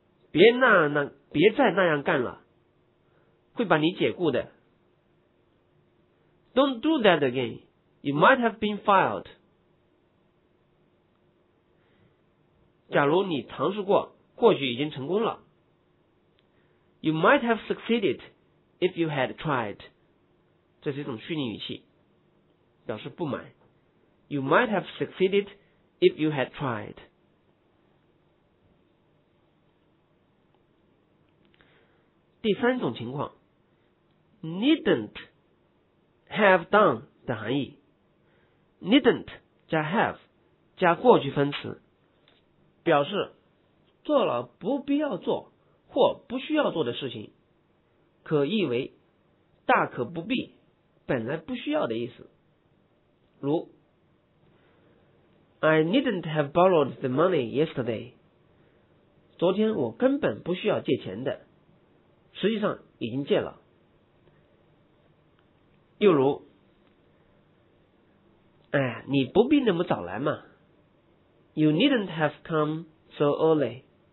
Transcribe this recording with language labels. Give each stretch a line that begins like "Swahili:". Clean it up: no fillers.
Chinese: 别再那样干了，会把你解雇的。
English: Don't do that again. You might have been fired.
Chinese: 假如你尝试过，或许已经成功了。
English: You might have succeeded if you had tried.
Chinese: 这是一种虚拟语气，表示不满。
English: You might have succeeded if you had tried.
Chinese: 第三种情况 ，needn't have done 的含义。 Needn't 加 have 加过去分词，表示做了不必要做或不需要做的事情，可译为大可不必，本来不需要的意思。
English: 如 I needn't have borrowed the money yesterday.
Chinese: 昨天我根本不需要借钱的，实际上已经借了。又如哎，你不必那么早来嘛。
English: You needn't have come so early.